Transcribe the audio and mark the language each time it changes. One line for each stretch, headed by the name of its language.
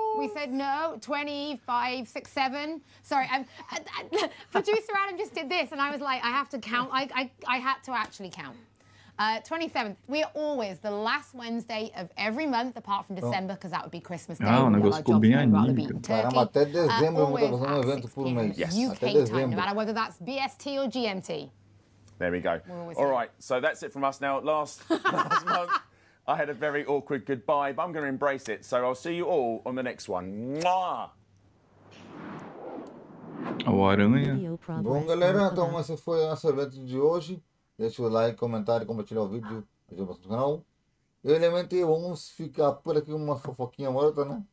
English: We said no, 25, 6, 7. Sorry, producer Adam just did this and I was like, I have to count. I had to actually count. 27th. We are always the last Wednesday of every month, apart from December, because that would be Christmas Day.
Portuguese: Ah, o negócio ficou bem anímico. Até dezembro eu vou estar fazendo evento por mês.
English: UK time, no matter whether that's BST or GMT. There we go. All right, so that's it from us now. Last month. I had a very awkward goodbye, but I'm going to embrace it. So I'll see you all on the next one. Mwah! Oh,
Portuguese: bom, galera, então esse foi o nosso evento de hoje. Deixa o like, comentário, compartilhar o vídeo, ajuda bastante o canal. Eu, realmente, vamos ficar por aqui uma fofoquinha morta, né?